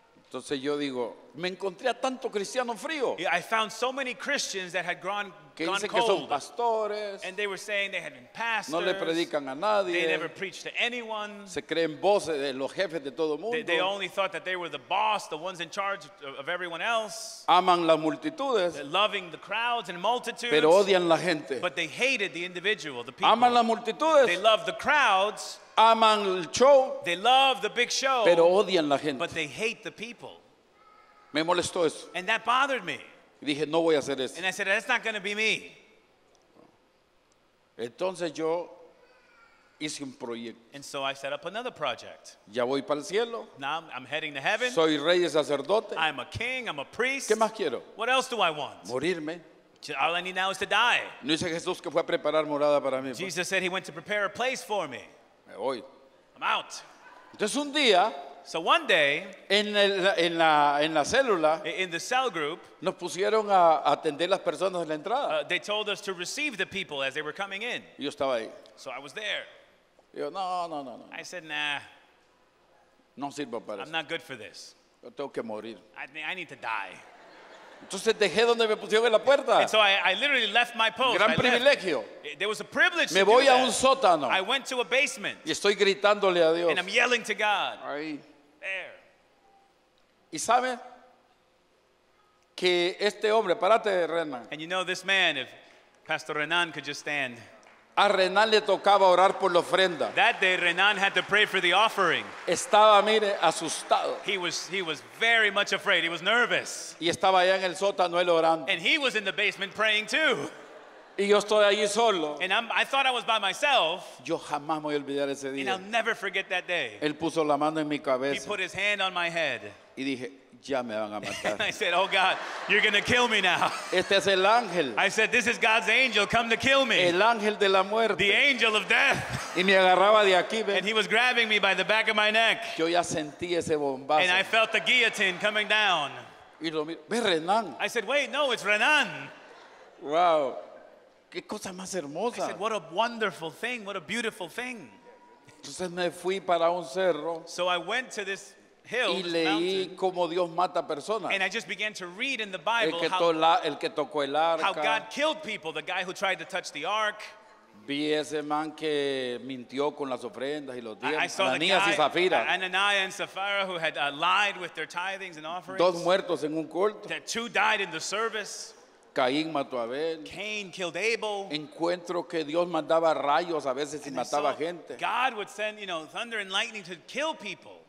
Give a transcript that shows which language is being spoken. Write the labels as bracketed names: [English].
[Spanish] Entonces yo digo, me encontré a tanto cristiano frío. [English] Yeah, I found so many Christians that had gone [Spanish] que dicen [English] cold. [Spanish] Que son pastores, [English] and they were saying they had been pastors. [Spanish] No le predican a nadie. [English] They never preached to anyone. [Spanish] Se creen voces de los jefes de todo mundo. [English] They only thought that they were the boss, the ones in charge of everyone else. [Spanish] Aman las multitudes. [English] They're loving the crowds and multitudes. [Spanish] Pero odian la gente. [English] But they hated the individual, the people. [Spanish] Aman las multitudes. [English] They love the crowds. [Spanish] Aman el show. [English] They love the big show. [Spanish] Pero odian la gente. [English] But they hate the people. [Spanish] Me molestó eso. [English] And that bothered me. [Spanish] Y dije, no voy a hacer eso. [English] And I said, that's not going to be me. [Spanish] Entonces yo hice un proyecto. [English] And so I set up another project. [Spanish] Ya voy para el cielo. [English] Now I'm heading to heaven. [Spanish] Soy rey y sacerdote. [English] I'm a king, I'm a priest. [Spanish] ¿Qué más quiero? [English] What else do I want? [Spanish] Morirme. [English] All I need now is to die. [Spanish] No dice Jesús que fue a preparar morada para mí. [English] Jesus said he went to prepare a place for me. I'm out. [Spanish] Entonces un día, [English] so one day, [Spanish] en la célula, [English] in the cell group, [Spanish] nos pusieron a atender las personas en la entrada. [English] They told us to receive the people as they were coming in. [Spanish] Yo estaba ahí. [English] So I was there. [Spanish] Yo, no. [English] I said, nah. [Spanish] No sirvo para [English] I'm not good for this. [Spanish] Yo tengo que morir. [English] I need to die. [Spanish] Entonces dejé donde me pusieron en la puerta. [English] And so I literally left my post. [Spanish] Gran privilegio. [English] There was a privilege. [Spanish] Me voy a un sótano. [English] I went to a basement. [Spanish] Y estoy gritándole a Dios. [English] And I'm yelling to God. [Spanish] Ahí. [English] There. [Spanish] ¿Y sabe que este hombre, párate, Renan? [English] And you know this man, if Pastor Renan could just stand. [Spanish] A Renan le tocaba orar por la ofrenda. [English] That day, Renan had to pray for the offering. [Spanish] Estaba, mire, asustado. [English] He was very much afraid. He was nervous. [Spanish] Y estaba allá en el sótano él orando. [English] And he was in the basement praying too. [Spanish] Y yo estoy allí solo. [English] And I thought I was by myself. [Spanish] Yo jamás me voy a olvidar ese día. [English] And I'll never forget that day. [Spanish] Él puso la mano en mi cabeza. [English] He put his hand on my head. [Spanish] Y dije, ya me van a matar. [English] I said, oh God, you're going to kill me now. [Spanish] Este es el ángel. [English] I said, this is God's angel, come to kill me. [Spanish] El ángel de la muerte. [English] The angel of death. [Spanish] Y me agarraba de aquí, ven. [English] And he was grabbing me by the back of my neck. [Spanish] Yo ya sentí ese bombazo. [English] And I felt the guillotine coming down. [Spanish] Y lo miro. Ve, Renan. [English] I said, wait, no, it's Renan. [Spanish] Wow. Qué cosa más hermosa. [English] I said, what a wonderful thing, what a beautiful thing. [Spanish] Entonces me fui para un cerro. [English] So I went to this hill, [Spanish] y leí cómo Dios mata personas. [English] And I just began to read in the Bible [Spanish] el que tocó el arca. [English] How God killed people, the guy who tried to touch the ark. [Spanish] Vi ese [English] man [Spanish] que mintió con las ofrendas y los diezmos, Ananías y Zafira. [English] Ananias and Sapphira who had lied with their tithings and offerings. [Spanish] Dos muertos en un culto. [English] That two died in the service. [Spanish] Caín mató a Abel. [English] Cain killed Abel. [Spanish] Encuentro que Dios mandaba rayos a veces y mataba gente. [English] God would send, you know, thunder and lightning to kill people.